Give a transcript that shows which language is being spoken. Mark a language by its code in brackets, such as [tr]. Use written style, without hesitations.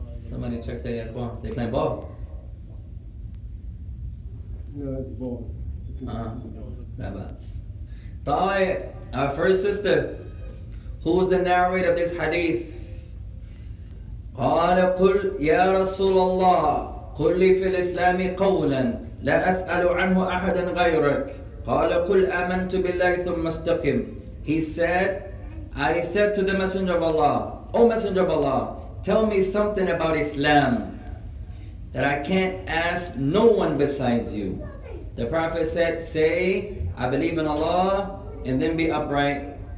[en] Somebody check that, يا إخوان. They play ball. Yeah, that's bold. That's bad. Our first sister, who is the narrator of this hadith? [ar] قال قل يا رسول الله قل لي في الإسلام قولا لا أسأل عنه أحدا غيرك. قال قل آمنت بالله ثم استقم. [en] He said, I said to the Messenger of Allah, O Messenger of Allah, tell me something about Islam that I can't ask no one besides you. The Prophet said, say, I believe in Allah, and then be upright.